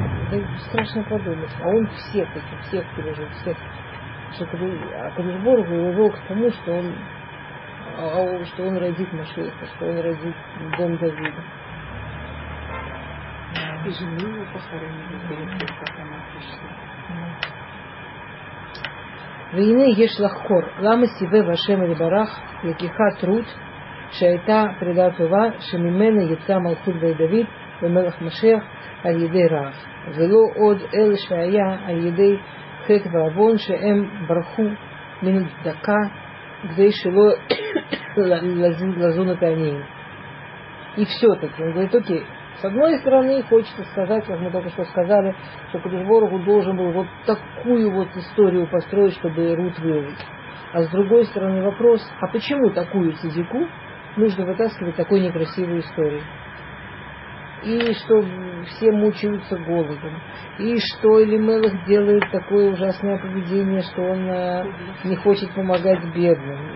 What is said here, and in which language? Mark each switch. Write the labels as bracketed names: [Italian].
[Russian] Да, страшно подумать. А он всех этих, всех пережил, всех. А Кадышборг увел к тому, что он родит Машеха, что он родит дом Давида. И жену его похоронили, как она пришла. [Hebrew] והנה יש לחקור למה סיבב השם אל ברך לקיחת רות שהייתה פרידה טובה שממנה יצא מלכות בית דוד ומלך משיח על ידי רעב ולא עוד אלה שהיה על ידי חטא ועוון שהם ברחו מן צדקה כדי שלא לזון את העניים [Russian] и все таки он говорит, окей, с одной стороны хочется сказать, как мы только что сказали, что Кадышборогу должен был вот такую вот историю построить, чтобы Рут вырвать. А с другой стороны вопрос, а почему такую цидику нужно вытаскивать такой некрасивой историей? и что все мучаются голодом, и что Элимелех делает такое ужасное поведение, что он не хочет помогать бедным.